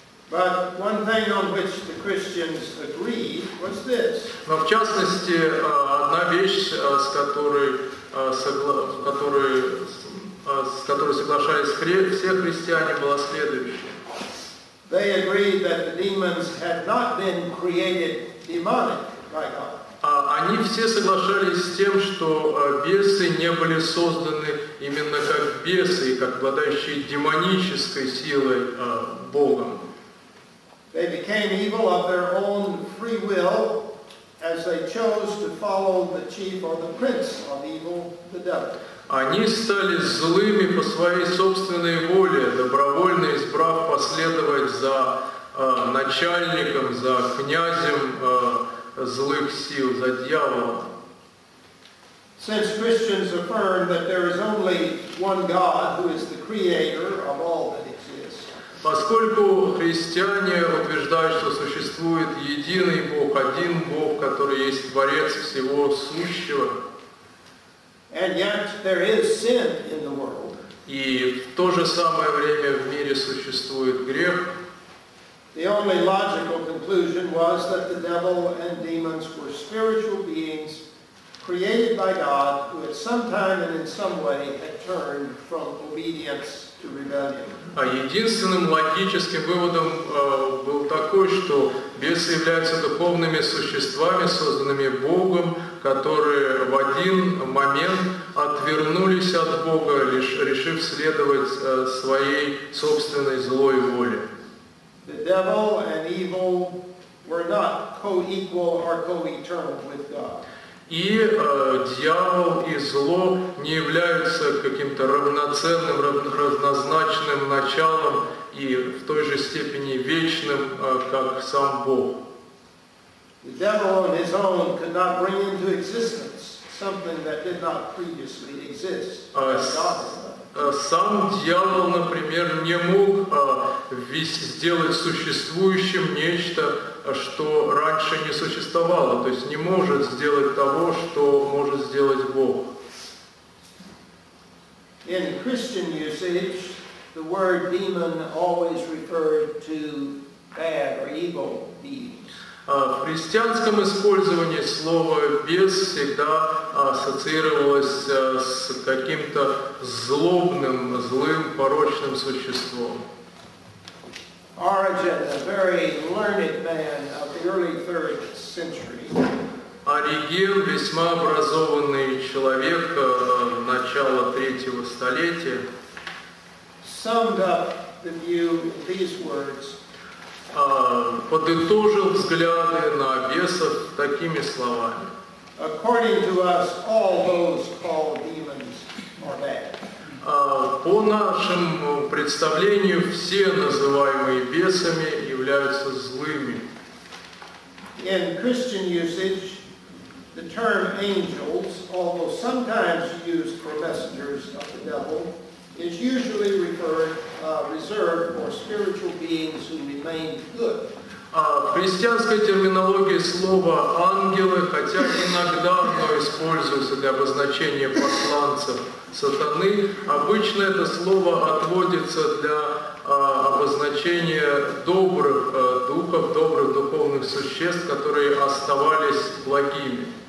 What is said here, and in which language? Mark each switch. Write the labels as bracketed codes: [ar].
[en] But one thing on which the Christians agreed was this. [ru] Но в частности, одна вещь, с которой соглашались все христиане, была следующая. [en] They agreed that the demons had not been created demonic by God. [ru] Они все соглашались с тем, что бесы не были созданы именно как бесы, как обладающие демонической силой Богом. [en] They became evil of their own free will as they chose to follow the chief or the prince of evil, the devil. [ru] Они стали злыми по своей собственной воле, добровольно избрав последовать за начальником, за князем злых сил, за дьяволом. [en] Since Christians affirm that there is only one God who is the creator of all that exists. [ru] Поскольку христиане утверждают, что существует единый Бог, один Бог, который есть творец всего сущего. [en] And yet there is sin in the world. [ru] И в то же самое время в мире существует грех. [en] The only logical conclusion was that the devil and demons were spiritual beings created by God who at some time and in some way had turned from obedience to rebellion. [ru] А единственным логическим выводом был такой, что бесы являются духовными существами, созданными Богом, которые в один момент отвернулись от Бога, лишь решив следовать своей собственной злой воле. [en] The devil and evil were not co-equal or co-eternal with God. [ru] И дьявол и зло не являются каким-то равноценным, равнозначным началом и в той же степени вечным, как сам Бог. [en] The devil on his own could not bring into existence something that did not previously exist. [ru] Сам дьявол, например, не мог сделать существующим нечто, что раньше не существовало, то есть не может сделать того, что может сделать Бог. [en] In Christian usage, the word demon always referred to bad or evil beings. [ru] В христианском использовании слово «бес» всегда ассоциировалось с каким-то злобным, злым, порочным существом. [en] Origen, a very learned man of the early 3rd century. [ru] Ориген, весьма образованный человек начала 3-го столетия. [en] Summed up the view in these words. [ru] Подытожил взгляды на бесов такими словами. [en] According to us, all those called demons are bad. [ru] По нашему представлению, все называемые бесами являются злыми. [en] In Christian usage, the term angels, although sometimes used for messengers of the devil, is usually reserved for spiritual beings who remain good. [ru] В христианской терминологии слово «ангелы», хотя иногда оно используется для обозначения посланцев сатаны, обычно это слово отводится для обозначения добрых духов, добрых духовных существ, которые оставались благими.